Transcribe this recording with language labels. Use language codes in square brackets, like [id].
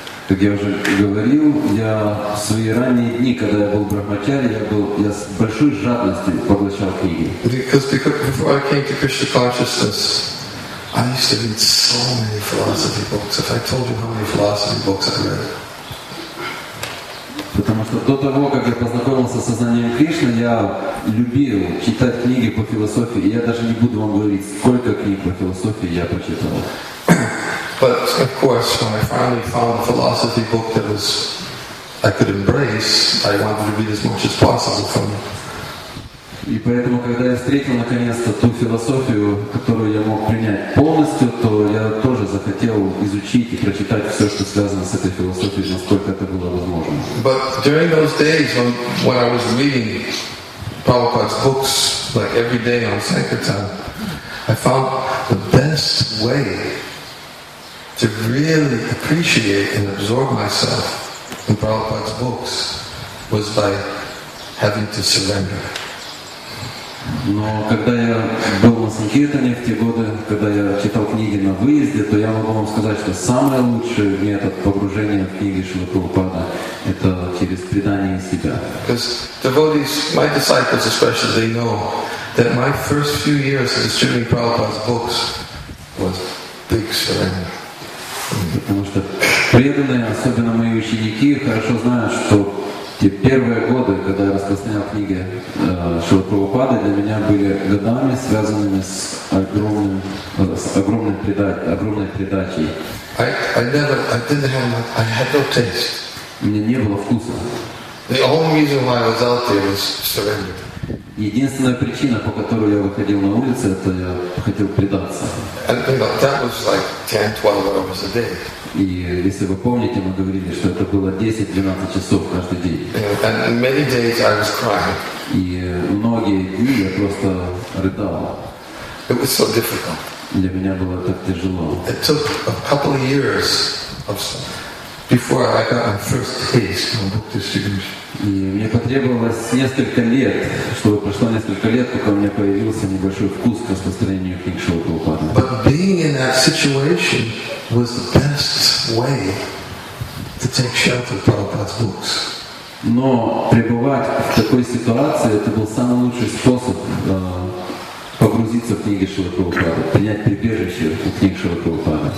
[ru] Как я уже говорил, я в свои ранние дни, когда я был брахмачари, я с большой жадностью поглощал книги. [en] Because before I came to Krishna consciousness, I used to read so many philosophy books. If I told you how many philosophy books I read. [ru] Потому что до того, как я познакомился с сознанием Кришны, я любил читать книги по философии. И я даже не буду вам говорить, сколько книг по философии я прочитал. [en] But of course, when I finally found a philosophy book that was I could embrace, I wanted to read as much as possible from it. [ru] И поэтому, когда я встретил наконец-то ту философию, которую я мог принять полностью, то я тоже захотел изучить и прочитать все, что связано с этой философией, насколько это было возможно. [en] But during those days, when I was reading Prabhupada's books like every day on Sankirtan, I found the best way to really appreciate and absorb myself in Prabhupada's books was by having to surrender. [ru] Но когда я был на Санкиртане в те годы, когда я читал книги на выезде, то я могу вам сказать, что самый лучший метод погружения в книги Шрилы Прабхупады — это через предание себя. [en] Because devotees, my disciples especially, they know that my first few years of distributing Prabhupada's books was big surrender. [ru] Потому что преданные, особенно мои ученики, хорошо знают, что те первые годы, когда я распространял книги Шрилы Прабхупады, для меня были годами, связанными с огромной предачей. [en] I had no taste. [ru] У меня не было вкуса. [en] The only reason why I was out there was surrender. [ru] Единственная причина, по которой я выходил на улицу, это я хотел предаться. [en] And that was like 10-12 hours a day. [ru] И если вы помните, мы говорили, что это было 10-12 часов каждый день. [en] And many days I was crying. [ru] И многие дни я просто рыдал. [en] It was so difficult. [ru] Для меня было так тяжело. [en] It took a couple of years before I got my first taste on book distribution. [ru] И мне потребовалось несколько лет, чтобы прошло несколько лет, пока у меня появился небольшой вкус к распространению книг Шрилы Прабхупады. [en] But being in that situation was the best way to take shelter of Prabhupada's books. [ru] Но пребывать в такой ситуации это был самый лучший способ погрузиться в книги Шрилы Прабхупады, принять прибежище у книг Шрилы Прабхупады.